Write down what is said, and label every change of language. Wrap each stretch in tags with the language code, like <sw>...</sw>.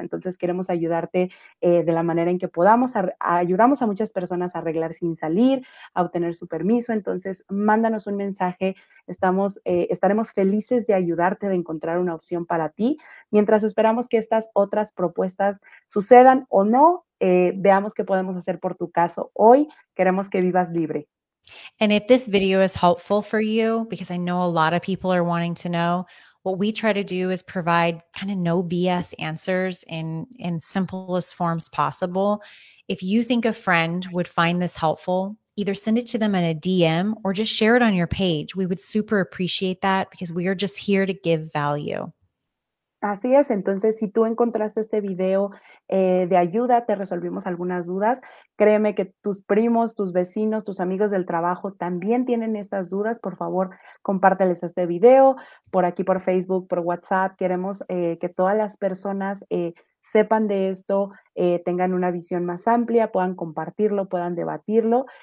<es>Entonces queremos ayudarte de la manera en que podamos. Ayudamos a muchas personas a arreglar sin salir, a obtener su permiso. Entonces mándanos un mensaje. Estaremos felices de ayudarte, de encontrar una opción para ti. Mientras esperamos que estas otras propuestas sucedan o no, veamos qué podemos hacer por tu caso hoy. Queremos que vivas libre.</es> <en>And if this video is helpful for you, because I know a lot of people are wanting to know, What we try to do is provide kind of no BS answers in simplest forms possible. If you think a friend would find this helpful, either send it to them in a DM or just share it on your page. We would super appreciate that because we are just here to give value.</en> <es>Así es. Entonces, si tú encontraste este video de ayuda, te resolvimos algunas dudas, créeme que tus primos, tus vecinos, tus amigos del trabajo también tienen estas dudas. Por favor, compárteles este video por aquí, por Facebook, por WhatsApp. Queremos que todas las personas sepan de esto, tengan una visión más amplia, puedan compartirlo, puedan debatirlo.</es>